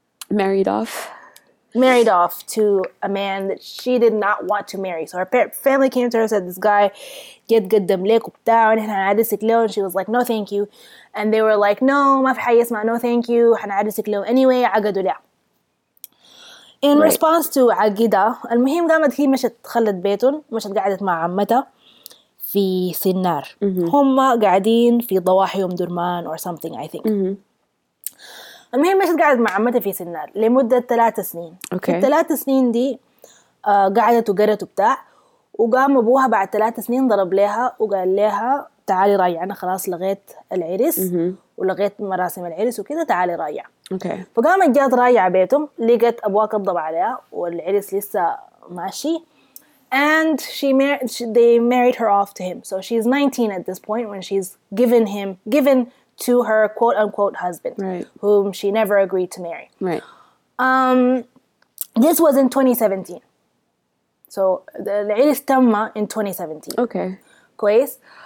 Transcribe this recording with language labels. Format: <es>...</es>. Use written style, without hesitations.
<en>married off to a man that she did not want to marry. So her family came to her and said, this guy, get good damlek down, and she was like, no, thank you. And they were like, no,</en> <ar>ما في حي اسمع,</ar> <en>no, thank you. Anyway,</en> <ar>عقدوا لها.</ar> <en>In response to</en> <ar>عقيدة, المهم قامت هي مشت خلت بيتهم, مشت قعدت مع عمتها في سنار. هم قاعدين في ضواحي أم درمان</ar> <en>or something, I think.</en> <ar>المهم مشت قاعدت مع عمتها في سنار لمدة 3 سنين.</ar> <en>Okay.</en> <ar>الثلاث سنين دي قعدت وقرت وبتاع, وقام أبوها بعد 3 سنين ضرب لها وقال لها تعالي راجع, أنا خلاص لغيت العرس ولغيت مراسم العرس وكذا, تعالي راجع.</ar> <en>Okay.</en> <ar>فقامت جات راجعة بيتهم, لقت أبوها قبضب عليها والعرس لسه ماشي,</ar> <en>and they married her off to him. So she's 19 at this point when she's given to her quote unquote husband, right. whom she never agreed to marry. Right. This was in 2017. So</en> <ar>العرس تم</ar> <en>in 2017. Okay.</en> <ar>كويس.</ar>